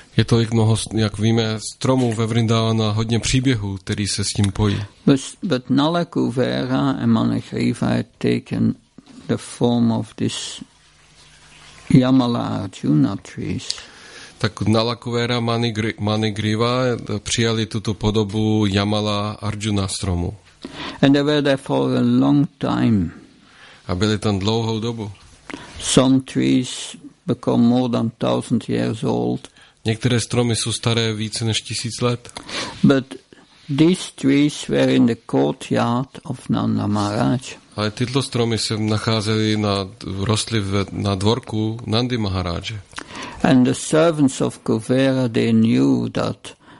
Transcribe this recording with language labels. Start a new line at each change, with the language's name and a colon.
Czech: Je tolik mnoho, jak víme, stromů ve Vrindavanu a hodně příběhů, který se s tím pojí.
English: But Nalakuvera and Manikriva had taken the form of this Yamala Arjuna trees.
Czech: Tak Nalakuvera a Manikriva přijali tuto podobu Yamala Arjuna stromu.
English: And they were there for a long time.
Czech: A byli tam dlouhou dobu.
English: Some trees become more than 1,000 years old.
Czech: Některé stromy jsou staré více než 1,000 let.
English: But these trees were in the courtyard of Nanda Maharaj.
Czech: Ale tyto stromy se nacházely na dvorku Nandy Maharaje.
English: And the servants of Kuvera, they knew that